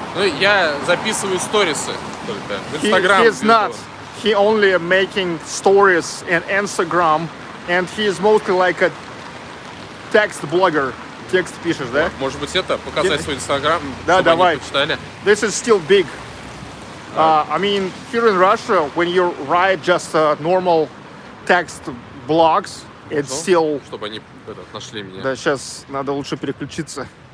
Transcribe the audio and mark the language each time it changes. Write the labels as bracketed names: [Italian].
[Russian] Ну, я записываю сторисы только в Инстаграм. [English] He is not. He only making stories in Instagram, and he is mostly like a text blogger. [Russian] Текст пишешь, да? Может быть, это показать свой Инстаграм? Да, чтобы давай. Они почитали. [English] This is still big. I mean, here in Russia, when you write just normal text blogs, it's [Russian] что? [English] Still. [Russian] Чтобы они нашли меня. Да, сейчас надо лучше переключиться.